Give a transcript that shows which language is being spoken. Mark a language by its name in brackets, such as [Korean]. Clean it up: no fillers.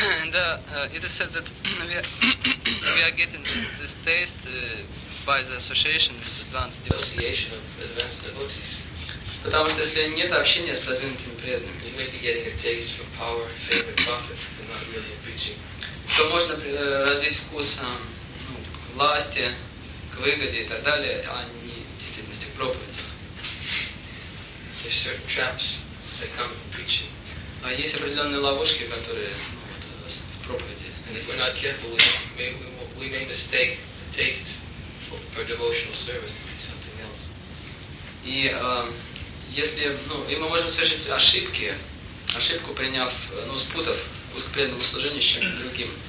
[English] Да, it is said that we are getting this taste by the association with advanced devotees. [Russian] Потому что если нет общения с продвинутыми преданными, [English] you may be getting a taste for power, favor, profit, but not really preaching. [Russian] То можно развить вкус к власти, к выгоде и так далее, а не в действительности к проповеди. Но есть определенные ловушки, которые в проповеди. И мы можем совершить ошибку, приняв, спутав вкус к преданному служению с чем-то другим.